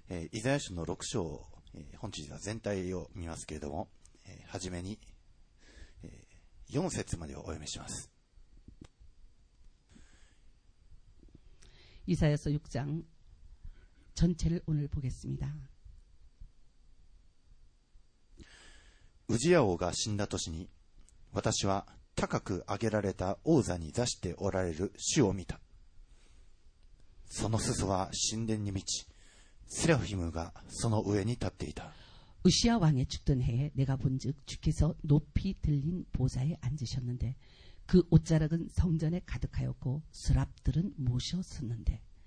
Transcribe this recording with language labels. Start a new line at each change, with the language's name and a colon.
Japanese: イザヤ書の6章、本日は全体を見ますけれども、初めに、4節までをお読みします。
Korean: 이사야서6장전체를오늘보겠습니다
Japanese: 우지야王が死んだ年に私は高く上げられた王座に座しておられる主を見た。その裾は神殿に満ち、세라핌がその上に立っていた。
Korean: 우시야왕의죽던해에내가본즉주께서높이들린보좌에앉으셨는데그옷자락은성전에가득하였고수랍들은모셔섰는데